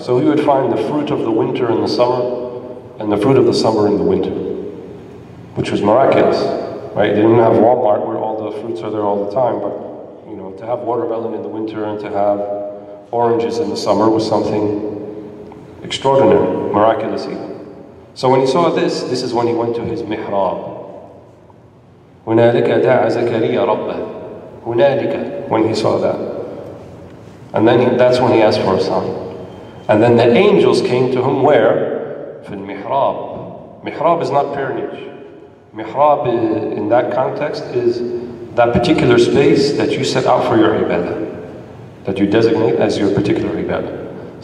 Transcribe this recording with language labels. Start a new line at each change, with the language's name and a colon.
English: So he would find the fruit of the winter in the summer, and the fruit of the summer in the winter, which was miraculous, right? They didn't have Walmart where all the fruits are there all the time, but you know, to have watermelon in the winter and to have oranges in the summer was something extraordinary, miraculous even. So when he saw this, this is when he went to his mihrab.
Arabic: هُنَالِكَ دَعَ زَكَرِيَّ رَبَّهُ هُنَالِكَ,
English: when he saw that. And then that's when he asked for a son. And then the angels came to him where?
Arabic: فِي الْمِحْرَاب.
English: Mihrab is not parentage. Mihrab in that context is that particular space that you set out for your ibadah, that you designate as your particular ibadah.